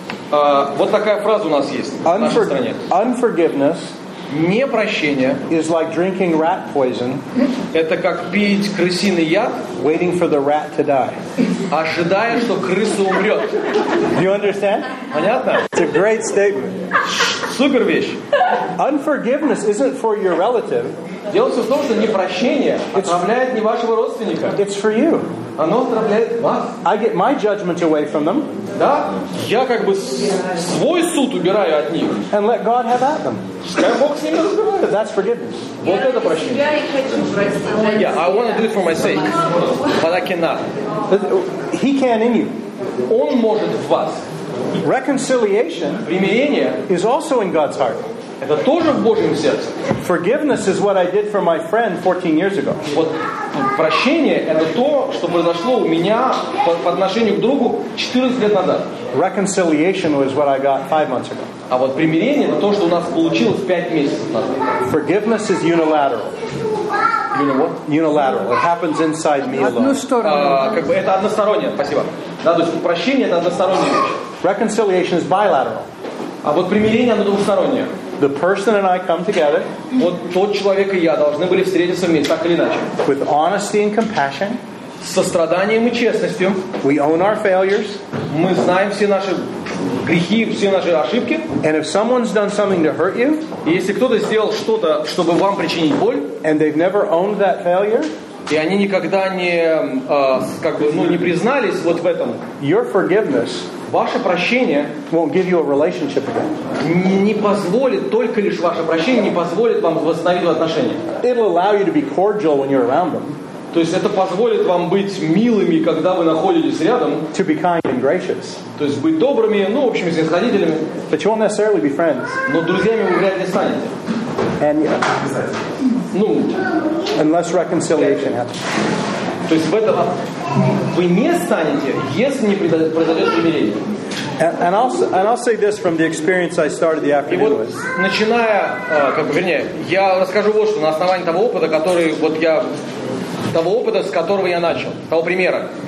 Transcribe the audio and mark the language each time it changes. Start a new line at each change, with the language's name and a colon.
Russian: Вот такая фраза у нас есть в нашей стране.
English: Unforgiveness,
Russian: непрощение,
English: is like drinking rat poison.
Russian: Это как пить крысиный яд,
English: waiting for the rat to die.
Russian: Ожидая, что крыса умрет.
English: Do you understand?
Russian: Понятно?
English: It's a great statement.
Russian: Супер вещь.
English: Unforgiveness isn't for your relative.
Russian: Дело все в том, что непрощение отравляет не вашего родственника.
English: It's for you.
Russian: Оно отравляет вас.
English: I get my judgment away from them.
Russian: Да? Я как бы свой суд убираю от них.
English: And let God have at them.
Russian: Пускай Бог с ними разбирается.
English: That's forgiveness.
Russian: Вот это прощение. Я и хочу простить.
English: Yeah, I want to do it for my sake. But I cannot. He can in you.
Russian: Он может в вас.
English: Reconciliation,
Russian: примирение,
English: is also in God's heart.
Russian: Это тоже в Божьем сердце.
English: Forgiveness is what I did for my friend 14 years ago.
Russian: Вот прощение — это то, что произошло у меня по отношению к другу 14 лет назад.
English: Reconciliation was what I got 5 months ago.
Russian: А вот примирение — это то, что у нас получилось 5 месяцев назад.
English: Forgiveness is unilateral. You know what? Unilateral. It happens inside me alone.
Russian: Как бы это одностороннее. Спасибо. Да, то есть прощение — это односторонняя вещь.
English: Reconciliation is bilateral.
Russian: А вот примирение — оно двустороннее.
English: The person and I come together.
Russian: Вот тот человек и я должны были встретиться вместе, так или иначе.
English: With honesty and compassion.
Russian: Состраданием и честностью.
English: We own our failures.
Russian: Мы знаем все наши грехи, все наши ошибки.
English: And if someone's done something to hurt you.
Russian: Если кто-то сделал что-то, чтобы вам причинить боль.
English: And they've never owned that failure.
Russian: И они никогда не, как бы, ну, не признались вот в этом.
English: Your forgiveness.
Russian: Ваше прощение
English: won't give you a relationship again.
Russian: Не позволит, только лишь ваше прощение не позволит вам восстановить отношения.
English: It'll allow you to be cordial when you're around them.
Russian: То есть это позволит вам быть милыми, когда вы находитесь рядом.
English: To be kind and gracious.
Russian: То есть быть добрыми, ну, в общем, снисходителями.
English: But you won't necessarily be friends.
Russian: Но друзьями вы вряд ли станете.
English: And yeah.
Russian: Ну,
English: unless reconciliation happens.
Russian: То есть в этом вы не станете, если не произойдет примирение.
English: And I'll say this from the experience I started the afternoon with.
Russian: И вот, начиная, как бы, вернее, я расскажу вот что на основании того опыта, который вот я того опыта, с которого я начал, того примера.